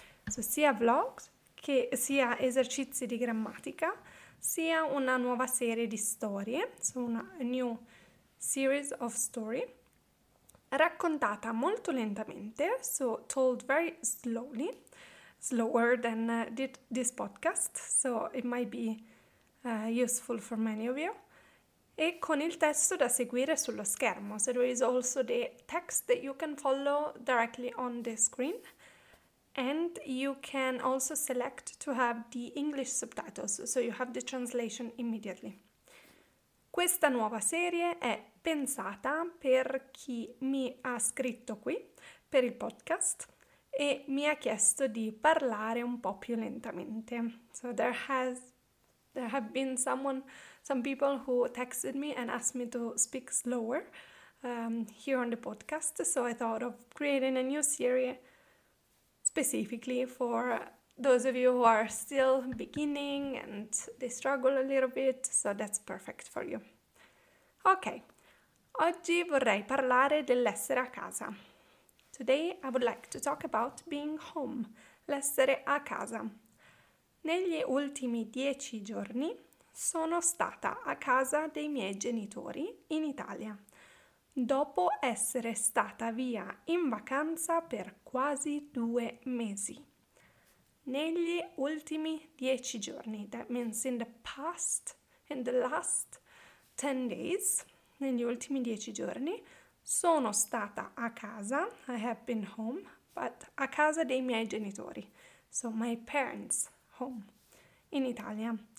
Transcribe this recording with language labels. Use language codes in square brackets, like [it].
[it] So sia vlogs, che sia esercizi di grammatica, sia una nuova serie di storie, so una [en] new series of story, [it] raccontata molto lentamente, [en] so told very slowly, slower than this podcast, so it might be useful for many of you, [it] e con il testo da seguire sullo schermo. [en] So there is also the text that you can follow directly on the screen. And you can also select to have the English subtitles, so you have the translation immediately. [it] Questa nuova serie è pensata per chi mi ha scritto qui per il podcast e mi ha chiesto di parlare un po' più lentamente. [en] So there have been some people who texted me and asked me to speak slower here on the podcast. So I thought of creating a new series specifically for those of you who are still beginning and they struggle a little bit, so that's perfect for you. [it] Ok, oggi vorrei parlare dell'essere a casa. [en] Today I would like to talk about being home, [it] l'essere a casa. Negli ultimi 10 giorni sono stata a casa dei miei genitori in Italia, dopo essere stata via in vacanza per quasi 2 mesi. Negli ultimi 10 giorni, [en] that means in the last 10 days, [it] negli ultimi 10 giorni, sono stata a casa, [en] I have been home, but [it] a casa dei miei genitori, [en] so my parents' home, [it] in Italia.